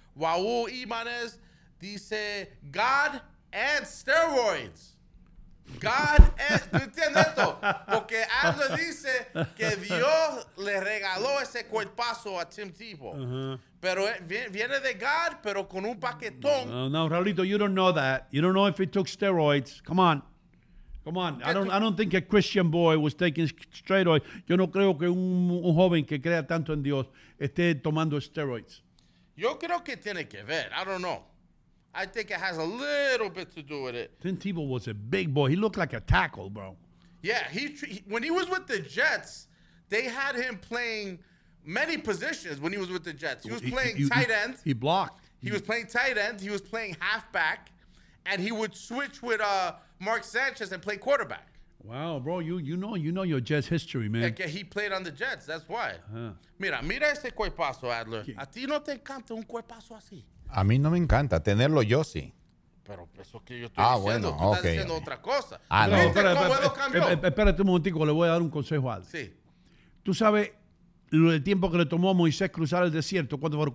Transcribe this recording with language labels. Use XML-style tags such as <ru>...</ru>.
<es>Raúl Imanes dice,</es> <en>God and steroids. God and...</en> <es>¿Tú entiendes esto? Porque Aldo dice que Dios le regaló ese cuerpazo a Tim Tebow. Uh-huh. Pero viene de God, pero con un paquetón.</es> <en>No, Raulito, you don't know that. You don't know if he took steroids. Come on. Come on, I don't think a Christian boy was taking steroids.</en> <es>Yo no creo que un joven que crea tanto en Dios esté tomando steroids. Yo creo que tiene que ver,</es> <en>I don't know. I think it has a little bit to do with it. Tim Tebow was a big boy. He looked like a tackle, bro. Yeah, when he was with the Jets, they had him playing many positions when he was with the Jets. He was playing tight end. He blocked. He was playing tight end. He was playing halfback. And he would switch with... Mark Sanchez and play quarterback. Wow, bro, you know your Jets history, man. Like, he played on the Jets, that's why. Uh-huh.</en> <es>Mira ese cuerpazo, Adler. ¿Qué? A ti no te encanta un cuerpazo así. A mí no me encanta tenerlo yo sí. Pero eso que yo estoy diciendo, bueno, tú okay. Estás diciendo otra cosa. Ah, no. Espérate un momentico, le voy a dar un consejo a Adler. Sí. Tú sabes lo del tiempo que le tomó a Moisés cruzar el desierto, ¿cuánto fueron?</es>